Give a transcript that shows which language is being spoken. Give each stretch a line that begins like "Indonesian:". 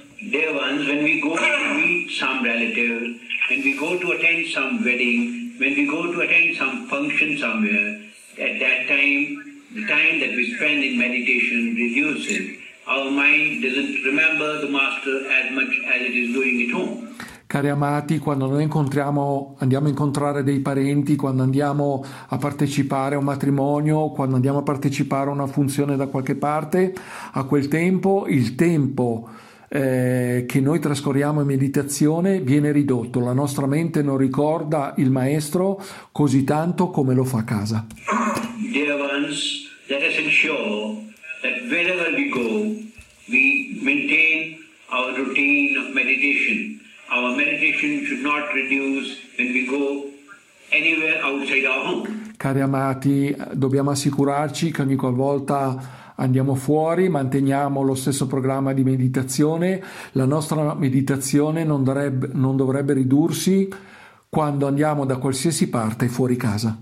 English: Dear ones, when we go to meet some relative, when we go to attend some wedding, when we go to attend some function somewhere, at that time, the time that we spend in meditation reduces. Our mind doesn't remember the Master as much as it is doing at home.
Italian: Cari amati, quando noi andiamo a incontrare dei parenti, quando andiamo a partecipare a un matrimonio, quando andiamo a partecipare a una funzione da qualche parte, a quel tempo il tempo che noi trascorriamo in meditazione viene ridotto, la nostra mente non ricorda il Maestro così tanto come lo fa a casa.
English: Dear ones, let us ensure that wherever we go, we maintain our routine of meditation. Our meditation should not reduce when we go anywhere outside our home.
Italian: Cari amati, dobbiamo assicurarci che ogni qualvolta andiamo fuori, manteniamo lo stesso programma di meditazione. La nostra meditazione non dovrebbe ridursi quando andiamo da qualsiasi parte fuori casa.